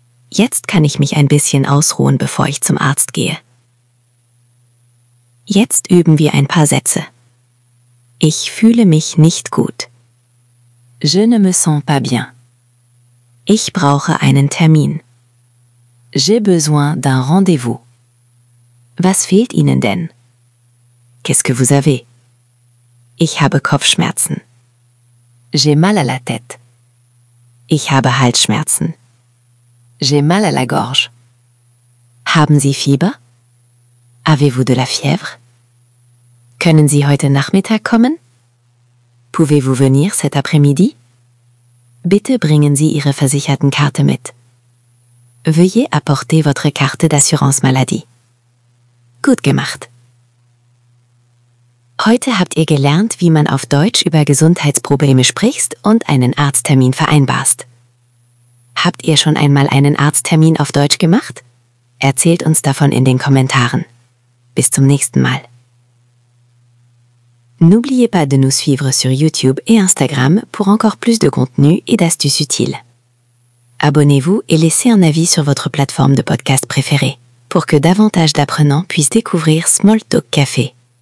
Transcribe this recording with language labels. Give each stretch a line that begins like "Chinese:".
German: Jetzt kann ich mich ein bisschen ausruhen, bevor ich zum Arzt gehe. Jetzt üben wir ein paar Sätze. Ich fühle mich nicht gut.
French: Je ne me sens pas bien.
German: Ich brauche einen Termin.
French: J'ai besoin d'un rendez-vous.
German: Was fehlt Ihnen denn?
French: Qu'est-ce que vous avez?
German: Ich habe Kopfschmerzen.
French: J'ai mal à la tête.
German: Ich habe Halsschmerzen.
French: J'ai mal à la gorge.
German: Haben Sie Fieber?
French: Avez-vous de la fièvre?
German: Können Sie heute Nachmittag kommen?
French: Pouvez-vous venir cet après-midi?
German: Bitte bringen Sie Ihre Versichertenkarte mit.
French: Veuillez apporter votre carte d'assurance maladie.
German: Gut gemacht. Heute habt ihr gelernt, wie man auf Deutsch über Gesundheitsprobleme spricht und einen Arzttermin vereinbarst. Habt ihr schon einmal einen Arzttermin auf Deutsch gemacht? Erzählt uns davon in den Kommentaren. Bis zum nächsten Mal.
French: N'oubliez pas de nous suivre sur YouTube et Instagram pour encore plus de contenu et d'astuces utiles. Abonnez-vous et laissez un avis sur votre plateforme de podcast préférée pour que davantage d'apprenants puissent découvrir Small Talk Café.